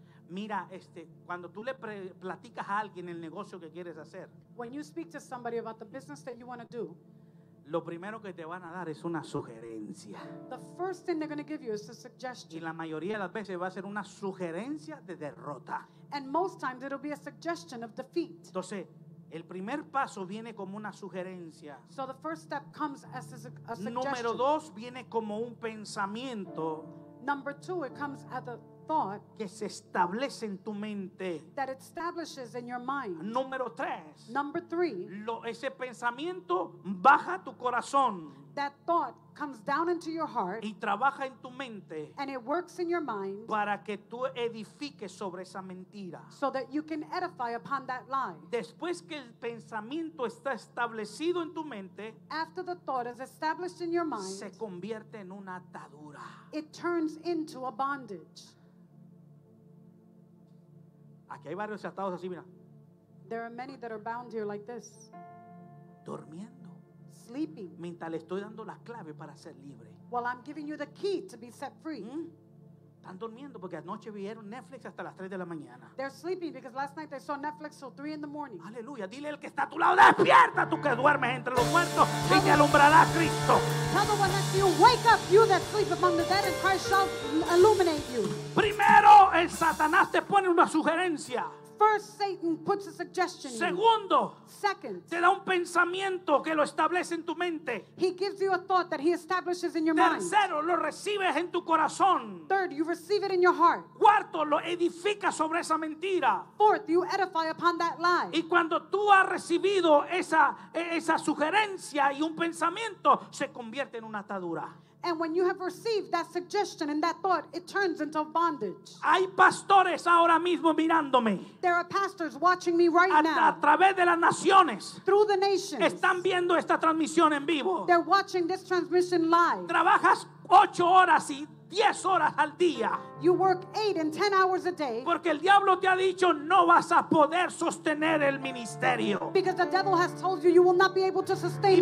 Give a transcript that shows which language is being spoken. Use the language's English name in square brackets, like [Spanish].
[Spanish] Mira, cuando tú le platicas a alguien el negocio que quieres hacer. [English] When you speak to somebody about the business that you want to do. [Spanish] Lo primero que te van a dar es una sugerencia. [English] The first thing they're going to give you is a suggestion. [Spanish] Y la mayoría de las veces va a ser una sugerencia de derrota. [English] And most times it'll be a suggestion of defeat. [Spanish] Entonces, el primer paso viene como una sugerencia. [English] So the first step comes as a suggestion. [Spanish] Número dos viene como un pensamiento. [English] Number two, it comes as a thought. [Spanish] Que se establece en tu mente. [English] That it establishes in your mind. [Spanish] Número tres. [English] Number three. [Spanish] Ese pensamiento baja tu corazón. [English] That thought comes down into your heart. [Spanish] Y trabaja en tu mente. [English] And it works in your mind. [Spanish] Para que tú edifiques sobre esa mentira. [English] So that you can edify upon that lie. [Spanish] Después que el pensamiento está establecido en tu mente. [English] After the thought is established in your mind. [Spanish] Se convierte en una atadura. [English] It turns into a bondage. [Spanish] Aquí hay varios atados así, mira. [English] There are many that are bound here like this. [Spanish] Durmiendo. [English] Sleeping. [Spanish] Mientras le estoy dando la clave para ser libre. [English] While I'm giving you the key to be set free. [Spanish] Están durmiendo porque anoche vieron Netflix hasta las 3 de la mañana. [English] They're sleeping because last night they saw Netflix till 3 in the morning. [Spanish] Aleluya. Dile al que está a tu lado, despierta tú que duermes entre los muertos y te alumbrará Cristo. [English] Tell the one next to you, wake up you that sleep among the dead and Christ shall illuminate you. [Spanish] Primero, el Satanás te pone una sugerencia. [English] First, Satan puts a suggestion. [Spanish] Segundo, [English] second, [Spanish] te da un pensamiento que lo establece en tu mente. [English] He gives you a thought that he establishes in your [Spanish] tercero, Tercero, lo recibes en tu corazón. [English] Third, you receive it in your heart. [Spanish] Cuarto, lo edificas sobre esa mentira. [English] Fourth, you edify upon that lie. [Spanish] Y cuando tú has recibido esa sugerencia y un pensamiento, se convierte en una atadura. [English] And when you have received that suggestion and that thought, it turns into bondage. [Spanish] Hay pastores ahora mismo mirándome. [English] There are pastors watching me right now. [Spanish] A través de las naciones. [English] Through the nations. [Spanish] Están viendo esta transmisión en vivo. [English] They're watching this transmission live. [Spanish] Trabajas 8 horas y 10 horas al día. [English] You work 8 and 10 hours a day. [Spanish] Porque el diablo te ha dicho no vas a poder sostener el ministerio. [English] Because the devil has told you you will not be able to sustain